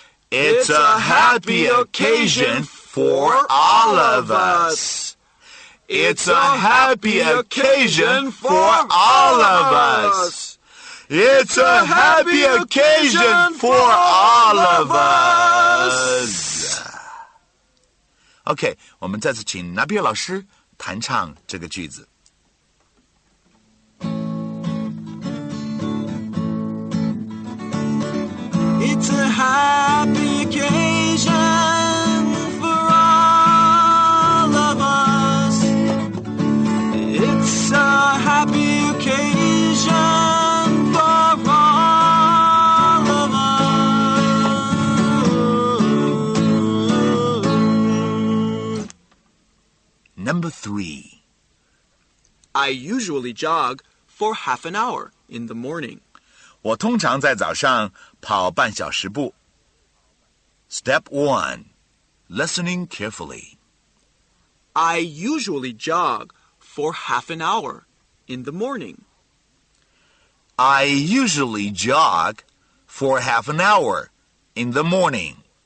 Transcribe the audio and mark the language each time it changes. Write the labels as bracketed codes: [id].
[en] It's a happy occasion for all of us. It's a happy occasion for all of us. It's a happy occasion for all of us. [zh] Okay, 我们再次请纳比尔老师弹唱这个句子。 [en] It's a happy occasion for all of us. It's a happy occasion. Number 3. I usually jog for half an hour in the morning. [zh] 我通常在早上跑半小时步。 [en] Step 1. Listening carefully. I usually jog for half an hour in the morning. I usually jog for half an hour in the morning.